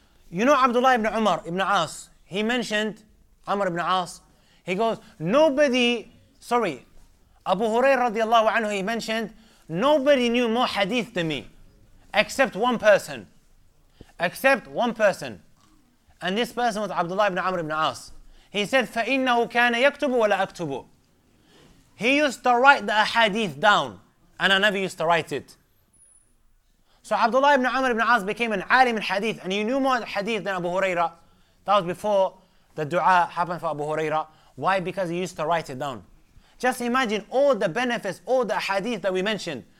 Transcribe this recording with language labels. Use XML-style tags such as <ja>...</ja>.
<en>You know Abdullah ibn Umar ibn As, he mentioned, Umar ibn As, he goes, Abu Hurairah radiallahu anhu, he mentioned, nobody knew more hadith than me, except one person. And this person was Abdullah ibn Amr ibn As. He said,</en> <ar>فَإِنَّهُ كَانَ يَكْتُبُ وَلَا أَكْتُبُ.</ar> <en>He used to write the ahadith down, and I never used to write it. So Abdullah ibn Amr ibn As became an alim in hadith, and he knew more hadith than Abu Huraira. That was before the dua happened for Abu Huraira. Why? Because he used to write it down. Just imagine all the benefits, all the ahadith that we mentioned.</en>